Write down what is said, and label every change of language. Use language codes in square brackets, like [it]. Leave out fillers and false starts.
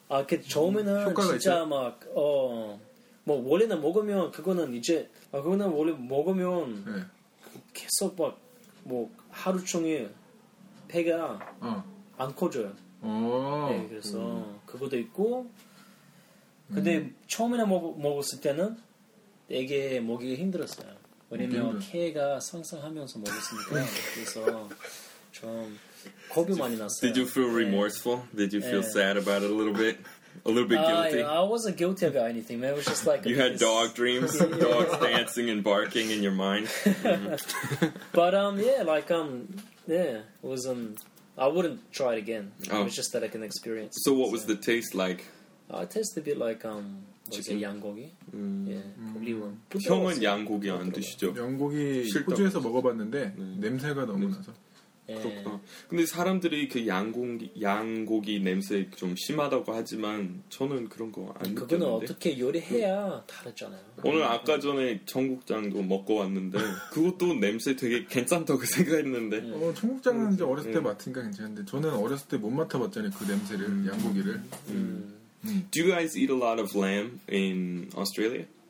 [ko] 아, 그 처음에는 진짜 막 뭐 원래는 먹으면 그거는 이제 그거는 원래 먹으면 계속 막 뭐 하루 종일 배가 안 커져요. 네, 그래서 그것도 있고. 근데 처음에 먹었을 때는 되게 먹이기 힘들었어요. 왜냐면 케가 상상하면서 먹었으니까. 그래서 좀 겁이 많이 났어요. [en] Did you feel remorseful? [ko] 네. [en] Did you feel sad about it a little bit? A little bit guilty. I wasn't guilty about anything, man. It was just like you had dog dreams, dogs dancing and barking in your mind. But it was I wouldn't try it again. Oh. It was just that I can experience. So what was the taste like? It tasted a bit like was it 양고기? Yeah, probably one. [ko] 형은 양고기 안 드시죠? 양고기 호주에서 먹어봤는데 냄새가 너무 나서. 예. 그렇구나. 근데 사람들이 그 양고기 냄새 좀 심하다고 하지만 저는 그런 거 안 느끼는데. 그거는 어떻게 요리해야 다르잖아요. 오늘 아까 전에 청국장도 먹고 왔는데 그것도 냄새 되게 괜찮다고 생각했는데. 청국장은 이제 어렸을 때 맡으니까 괜찮은데 저는 어렸을 때 못 맡아봤잖아요 그 냄새를 양고기를. [en] Do you guys eat a lot of lamb in Australia?